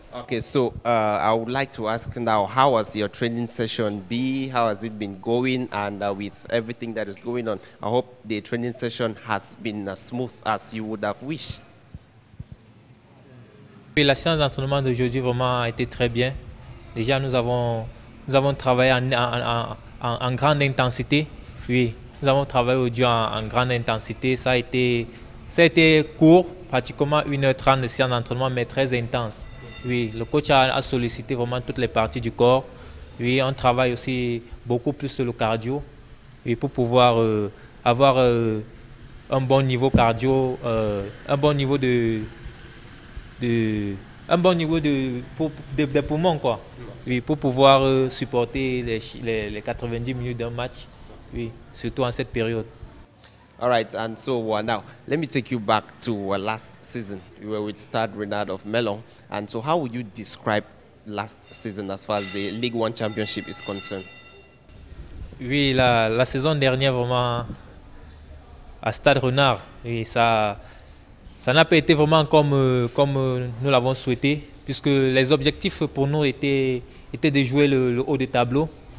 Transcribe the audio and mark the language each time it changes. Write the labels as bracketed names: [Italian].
[English] Okay, so I would like to ask now, how has your training session been? How has it been going? And with everything that is going on, I hope the training session has been as smooth as you would have wished. [French] Oui, la séance d'entraînement d'aujourd'hui vraiment a été très bien. Déjà, nous avons travaillé en grande intensité. Oui, nous avons travaillé aujourd'hui en grande intensité. Ça a été court, pratiquement 1h30 de séance d'entraînement, mais très intense. Oui, le coach a sollicité vraiment toutes les parties du corps. Oui, on travaille aussi beaucoup plus sur le cardio. Oui, pour pouvoir avoir un bon niveau cardio, un bon niveau de poumons, quoi. Oui, pour pouvoir supporter les 90 minutes d'un match. Oui, surtout en cette période. [English] All right, and so now let me take you back to last season. You were with Stade Rennais of Melun. And so how would you describe last season as far as the League One Championship is concerned? [French] Oui, la saison dernière vraiment à Stade Rennais, oui, ça n'a pas été vraiment comme nous l'avons souhaité, puisque les objectifs pour nous étaient de jouer le haut de tableau.